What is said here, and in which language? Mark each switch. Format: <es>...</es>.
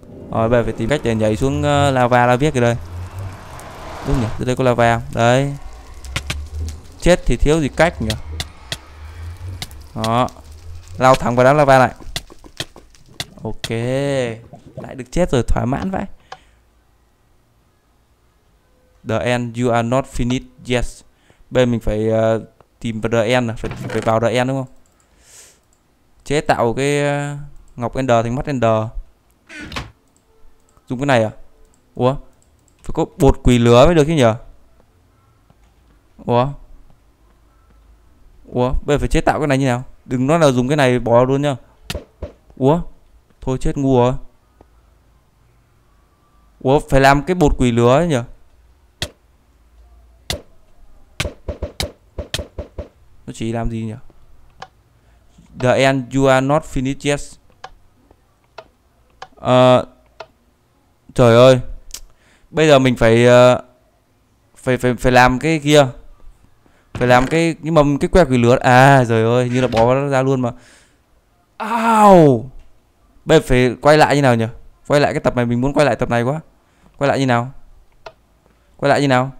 <vi>Rồi bây giờ phải tìm cách để nhảy xuống lava là viết ở đây. Đúng nhỉ, ở đây có lava không? Đấy. Chết thì thiếu gì cách nhỉ. Đó. Lao thẳng vào đám lava lại. Ok. Lại được chết rồi, thỏa mãn vậy.</vi> <en>The end, you are not finished, yes.</en> <vi>Bây giờ mình phải tìm vào the end là phải vào the end đúng không? Chế tạo cái ngọc ender thành mắt ender. Dùng cái này à? Ủa? Phải có bột quỷ lửa mới được chứ nhờ? Ủa? Ủa? Bây giờ phải chế tạo cái này như nào? Đừng nói là dùng cái này bỏ luôn nhá. Ủa? Thôi chết ngu rồi. Ủa? Phải làm cái bột quỷ lửa ấy nhờ? Nó chỉ làm gì nhỉ?</vi> <en>The end, you are not finished yet.</en> <vi>Trời ơi. Bây giờ mình phải phải làm cái kia. Phải làm cái nhưng mà cái que quỷ lửa. À trời ơi, như là bỏ nó ra luôn mà. Ow. Bây giờ phải quay lại như nào nhỉ? Quay lại cái tập này, mình muốn quay lại tập này quá. Quay lại như nào? Quay lại như nào?</vi>